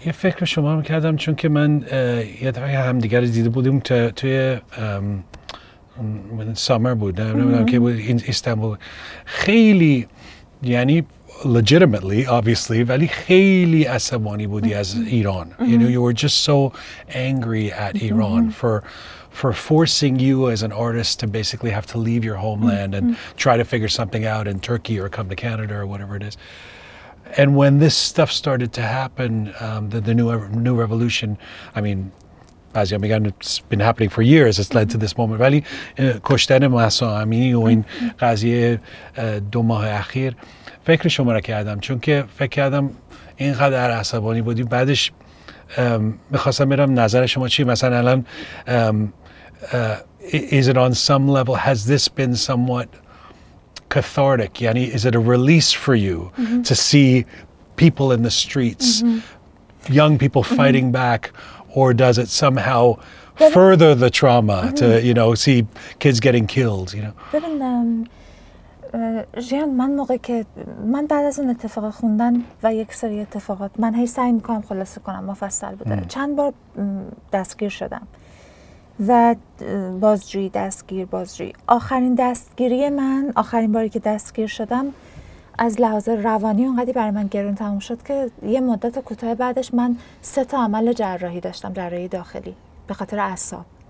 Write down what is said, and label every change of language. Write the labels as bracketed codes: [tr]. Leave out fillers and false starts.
[fa] یه فکر شما رو کردم چون که من یه دفعه هم دیگر رو دیده بودیم توی من سامر بود، نمیدونم که بود استانبول، خیلی یعنی [en] legitimately obviously [fa] ولی خیلی عصبانی بودی از ایران. [en] You know, you were just so angry at Iran for forcing you as an artist to basically have to leave your homeland and try to figure something out in Turkey or come to Canada or whatever it is. And when this stuff started to happen, the new revolution, I mean, as you began, it's been happening for years, it's led to this moment. [fa] ولی کشتن مهسا امینی و این قضیه دو ماه اخیر فکر شما را کردم، چون که فکر کردم اینقدر عصبانی بودی. بعدش میخواستم برم نظر شما چی مثلا الان [en] is it on some level, has this been somewhat cathartic, [fa] یعنی [en] is it a release for you to see people in the streets, young people fighting back, or does it somehow further the trauma to, you know, see kids getting killed, you know? [fa] جیان من موقعی که من بعد از اون اتفاق خوندن و یک سری اتفاقات من هی سعی میکنم خلاصه کنم، مفصل بوده. چند بار دستگیر شدم و بازجویی. آخرین دستگیری من، آخرین باری که دستگیر شدم، از لحاظ روانی اونقدی برای من گرون تموم شد که یه مدت کوتاه بعدش من 3 عمل جراحی داشتم، جراحی داخلی به خاطر اعصاب.